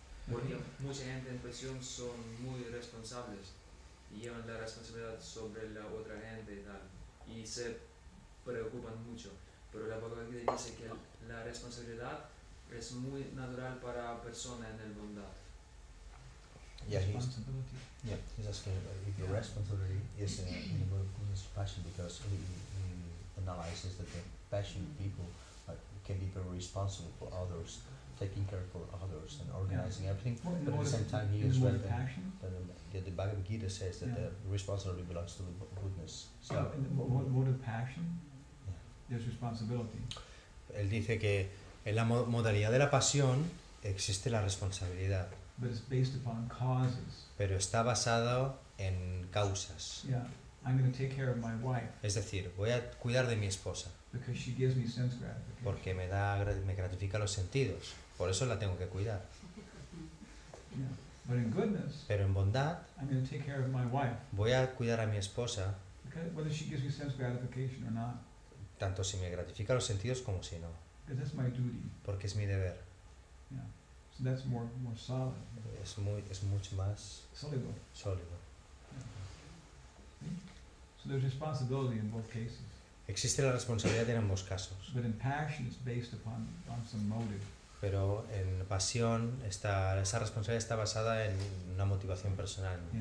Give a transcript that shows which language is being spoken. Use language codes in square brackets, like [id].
[es] Porque mucha gente en prisión son muy responsables y llevan la responsabilidad sobre la otra gente y tal. Y se preocupan mucho. Pero la Bhagavad Gita dice que la responsabilidad es muy natural para persona en el bondad. [en] Your responsibility is in his passion, because he analyzes that the passionate people can be very responsible for others, taking care for others and organizing everything. But at the same time, he is well. The Bhagavad Gita says that the responsibility belongs to the goodness. So, in the mode of passion, there's responsibility. [es] Él dice que en la modalidad de la pasión existe la responsabilidad. [en] But it's based upon causes. [es] Pero está basado en causas. [en] Yeah, I'm going to take care of my wife. [es] Es decir, voy a cuidar de mi esposa. [en] Because she gives me sense gratification. [es] Porque me gratifica los sentidos. Por eso la tengo que cuidar. [en] But in goodness, [es] pero en bondad, [en] I'm going to take care of my wife. [es] Voy a cuidar a mi esposa. [en] Because whether she gives me sense gratification or not. [es] Tanto si me gratifica los sentidos como si no. [en] Because that's my duty. [es] Porque es mi deber. [en] Yeah. So that's more solid. [es] Es mucho más sólido. Sólido. [en] Yeah. So there's responsibility in both cases. [es] Existe la responsabilidad en ambos casos. [en] But in passion, it's based upon some motive. [es] Pero en pasión esa responsabilidad está basada en una motivación personal.